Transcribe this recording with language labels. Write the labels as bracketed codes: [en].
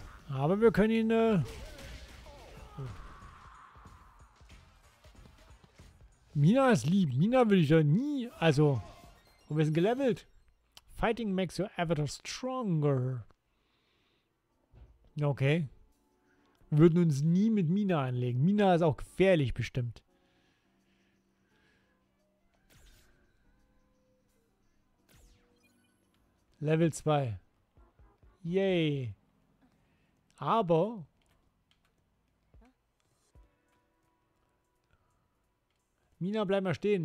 [de] Aber wir können ihn, Mina ist lieb. Mina würde ich ja nie, also... Und wir sind gelevelt. [en] Fighting makes your avatar stronger. Okay. [de] Wir würden uns nie mit Mina anlegen. Mina ist auch gefährlich bestimmt. Level 2. Yay. Aber Mina, bleib mal stehen.